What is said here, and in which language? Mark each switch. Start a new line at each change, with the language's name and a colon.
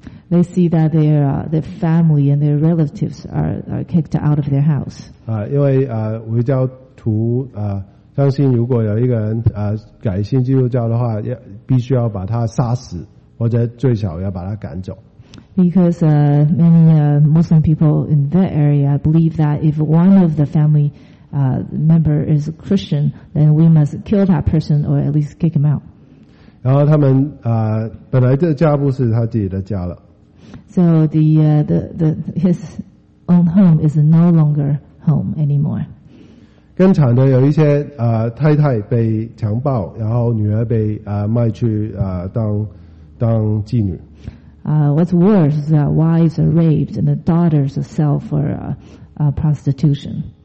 English: They see that their family and their relatives are kicked out of their house.
Chinese: 因为回教徒相信如果有一个人改信基督教的话，必须要把他杀死，或者最少要把他赶走。
English: Because many Muslim people in that area believe that if one of the family member is a Christian, then we must kill that person or at least kick him out.
Chinese: 然后他们本来这家不是他自己的家了。
English: So the his own home is no longer home anymore.
Chinese: 更惨的有一些太太被强暴，然后女儿被卖去当妓女。
English: What's worse is that wives are raped and the daughters sell for prostitution.